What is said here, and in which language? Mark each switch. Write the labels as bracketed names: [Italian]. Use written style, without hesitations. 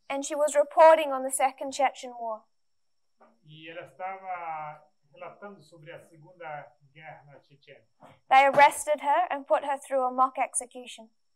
[English] And she was reporting on the Second Chechen War. [Portuguese] E ela estava relatando sobre a Segunda Guerra na Chechênia. [English] They arrested her and put her through a mock execution.